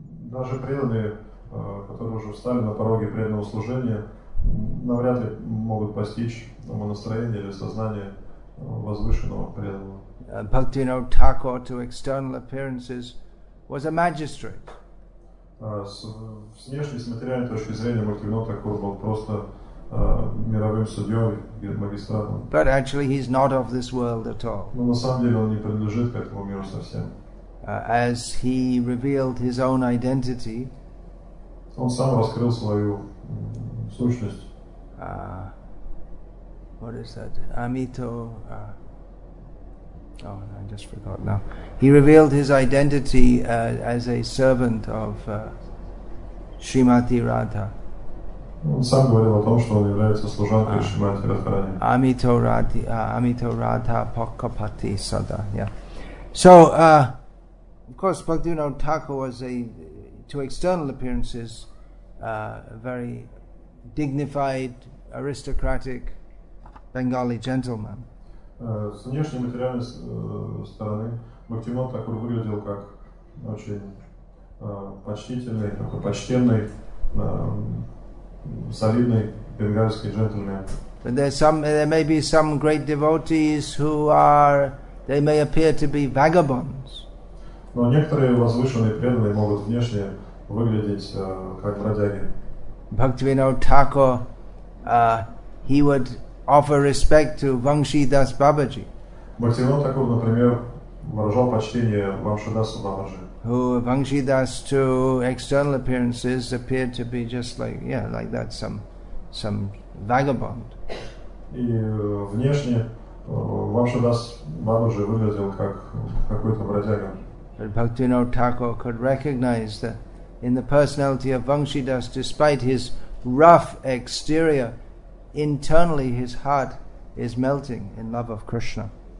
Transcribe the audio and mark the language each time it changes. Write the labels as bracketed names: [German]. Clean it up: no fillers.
[Russian] Даже преданные, которые уже встали на пороге преданного служения, навряд ли могут постичь умонастроение или сознание возвышенного преданного. [English] Bhaktivinoda Thakur, to external appearances, was a magistrate. [Russian] С внешней, с материальной точки зрения, Бхактивинода Такур был просто мировым судьей, магистратом. [English] But actually he's not of this world at all. [Russian] Но на самом деле он не принадлежит к этому миру совсем. [English] As he revealed his own identity, [Russian] он сам раскрыл свою сущность. [English] What is that? Amito... I just forgot now. He revealed his identity as a servant of Srimati Radha. [Russian] Он сам говорил о том, что он является служанкой Шримати Радхарани. [Bangla] Amito Radha Pokkapati Sada. [English] Yeah. So, of course, Bhaktivinoda Thakur was to external appearances, a very dignified, aristocratic Bengali gentleman. [Russian] С внешней материальной стороны Бхактивинода Такур выглядел как очень почтительный, такой почтенный, солидный бенгальский джентльмен. [English] But there may be some great devotees they may appear to be vagabonds. [Russian] Но некоторые возвышенные преданные могут внешне выглядеть как бродяги. [English] Бхактивинода Такур, he would offer respect to Vamsidas Babaji. [Russian] Бхактивинода Такур, например, выражал почтение Вамшидасу Бабаджи. [English] Who Vamsidas, to external appearances, appeared to be just like that, some vagabond. [Russian] И внешне Вамшидас Бабаджи выглядел как какой-то бродяга. [English] But Бхактивинода Такур could recognize that in the personality of Vamsidas, despite his rough exterior, internally his heart is melting in love of Krishna.